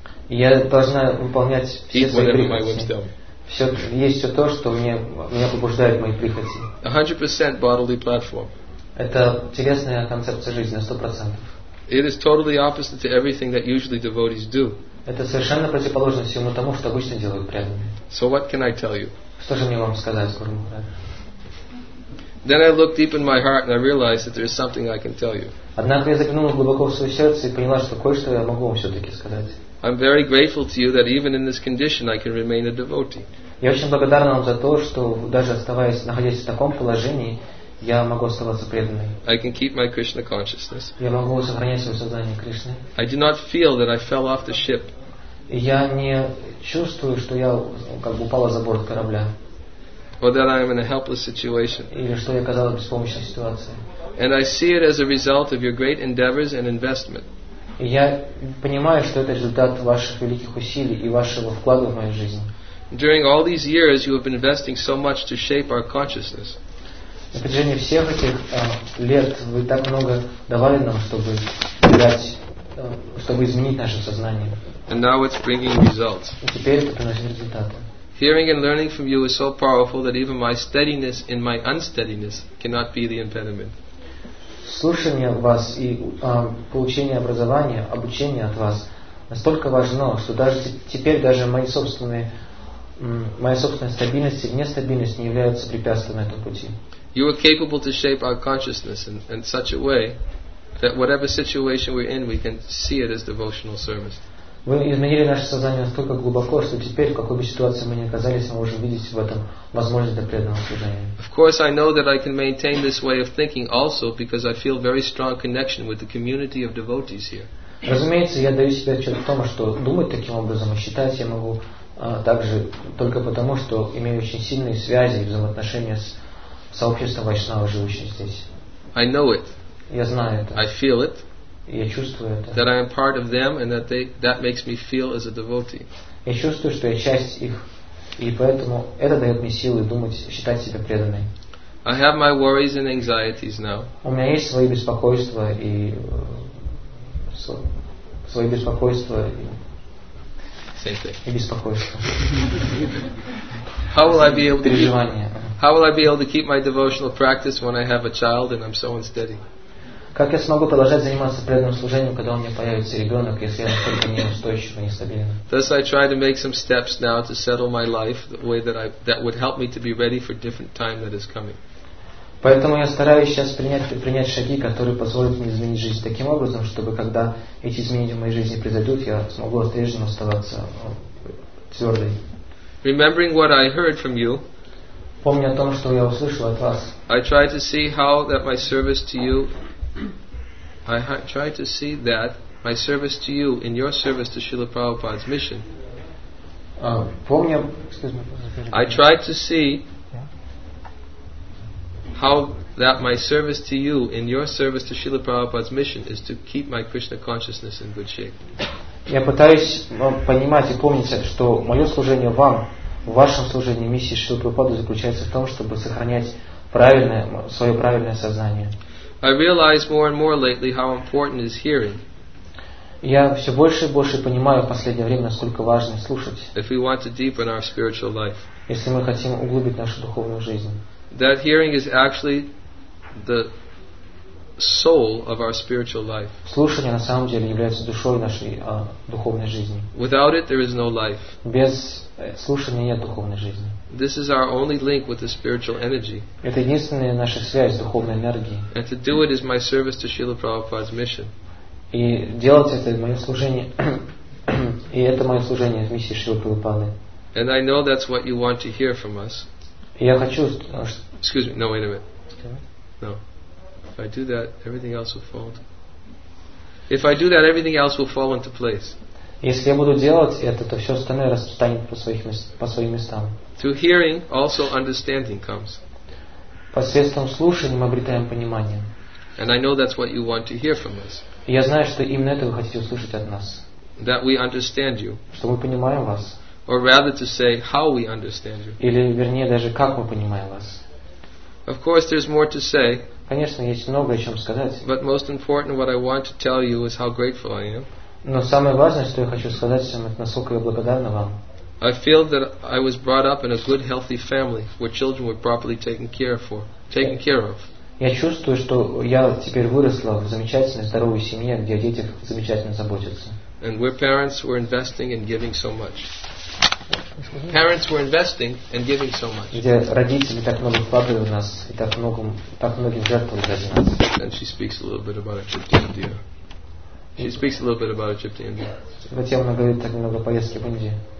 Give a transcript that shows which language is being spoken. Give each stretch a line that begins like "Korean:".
Russian: Я должна выполнять все свои прихоти. Все есть все то, что меня побуждает мои прихоти.
English: 100% bodily platform.
Russian: Это телесная концепция жизни на 100%.
English: It is totally opposite to everything that usually devotees do.
Russian: Это совершенно противоположно всему тому, что обычно делают преданные.
English: So what can I tell you?
Russian: Что же мне вам сказать, Гуру Махарадж?
English: Then I looked deep in my heart and I realized that there is something I can tell you.
Russian: Однако я заглянула глубоко в свое сердце и поняла, что кое-что я могу вам все-таки сказать.
English: I'm very grateful to you that even in this condition I can remain a devotee.
Russian: Я очень благодарна вам за то, что даже оставаясь, находясь в таком положении, я могу оставаться преданной.
English: I can keep my Krishna consciousness.
Russian: Я могу сохранять свое сознание Кришны.
English: I do not feel that I fell off the ship.
Russian: Я не чувствую, что я как бы упала за борт корабля.
English: Or that I am in a helpless situation.
Russian: Или что я оказалась в беспомощной ситуации.
English: And I see it as a result of your great endeavors and investment.
Russian: И я понимаю, что это результат ваших великих усилий и вашего вклада в мою жизнь.
English: During all these years, you have been investing so much to shape our consciousness.
Russian: На протяжении всех этих лет вы так много давали нам, чтобы изменить наше сознание.
English: And now it's bringing results.
Russian: И теперь это приносит результаты.
English: Hearing and learning from you is so powerful that even my steadiness in my unsteadiness cannot be the impediment.
Russian: Слушание вас и получение образования, обучение от вас настолько важно, что даже теперь даже моя собственная стабильность и нестабильность не являются препятствием на этом пути.
English: You are capable to shape our consciousness in such a way that whatever situation we're in, we can see it as devotional service.
Russian: Вы изменили наше сознание настолько глубоко, что теперь, в какой бы ситуации мы ни оказались, мы можем видеть в этом возможность для преданного служения.
English: Of course, I know that I can maintain this way of thinking also because I feel very strong connection with the community of devotees here.
Russian: Разумеется, я даю себе отчет в том, что думать таким образом и считать я могу также только потому, что имею очень сильные связи и взаимоотношения с сообществом вайшнава, живущим здесь.
English: I know it.
Russian: Я знаю это.
English: I feel it.
Russian: Я чувствую это.
English: That I am part of them and that that makes me feel as a devotee.
Russian: Я чувствую, что я часть их, и поэтому это дает мне силы думать, считать себя преданной.
English: I have my worries and anxieties now.
Russian: У меня есть свои беспокойства и свои беспокойства и.
English: Same thing.
Russian: И беспокойства.
English: How will I be able to?
Russian: Переживания.
English: How will I be able to keep my devotional practice when I have a child and I'm so unsteady?
Russian: Как я смогу продолжать заниматься преданным служением, когда у меня появится ребенок, если я настолько неустойчив и нестабилен?
English: Thus I try to make some steps now to settle my life the way that would help me to be ready for different time that is coming.
Russian: Поэтому я стараюсь сейчас принять шаги, которые позволят мне изменить жизнь таким образом, чтобы когда эти изменения в моей жизни произойдут, я смогу отрежено оставаться твердой.
English: Remembering what I heard from you.
Russian: Помня о том, что я услышал от вас.
English: I try to see how that my service to you. I try to see that my service to you in your service to Srila Prabhupada's mission. I try to see how that my service to you in your service to Srila Prabhupada's mission is to keep my Krishna consciousness in good shape.
Russian: Я пытаюсь понимать и помнить, что мое служение вам, в вашем служении миссии Шрилы Прабхупады заключается в том, чтобы сохранять правильное, свое правильное сознание.
English: I realize more and more lately how important is hearing.
Russian: Я все больше и больше понимаю в последнее время, насколько важно слушать.
English: If we want to deepen our spiritual life.
Russian: Если мы хотим углубить нашу духовную жизнь.
English: That hearing is actually the soul of our spiritual life.
Russian: Слушание на самом деле является душой нашей духовной жизни.
English: Without it, there is no life.
Russian: Без слушания нет духовной жизни.
English: This is our only link with the spiritual energy.
Russian: Это единственная наша связь с духовной энергией.
English: And to do it is my service to Srila Prabhupada's mission.
Russian: И делать это мое служение, и это мое служение в миссии Шрилы Прабхупады.
English: And I know that's what you want to hear from us.
Russian: Я хочу.
English: Excuse me. No, wait a minute. No. If I do that, everything else will fall. If I do that, everything else will fall into place.
Russian: Если я буду делать это, то все остальное расстанет по своим местам.
English: Through hearing, also understanding comes.
Russian: Посредством слушания мы обретаем понимание.
English: And I know that's what you want to hear from us.
Russian: Я знаю, что именно это вы хотите услышать от нас.
English: That we understand you.
Russian: Что мы понимаем вас.
English: Or rather to say, how we understand you.
Russian: Или вернее даже как мы понимаем вас.
English: Of course, there's more to say.
Russian: Конечно, есть много о чем сказать.
English: But most important, what I want to tell you is how grateful I am.
Russian: Но самое важное, что я хочу сказать всем, это насколько я благодарна вам.
English: I feel that I was brought up in a good, healthy family where children were properly taken care of.
Russian: Я чувствую, что я теперь выросла в замечательной, здоровой семье, где о детях замечательно заботятся.
English: And where parents were investing and giving so much. Parents were investing and giving so much.
Russian: Где родители так много вкладывали в нас и так многим жертвовали ради нас.
English: And she speaks a little bit about her trip to India. She speaks a little bit about her trip to India.
Russian: Затем она говорит так много о поездке в Индию.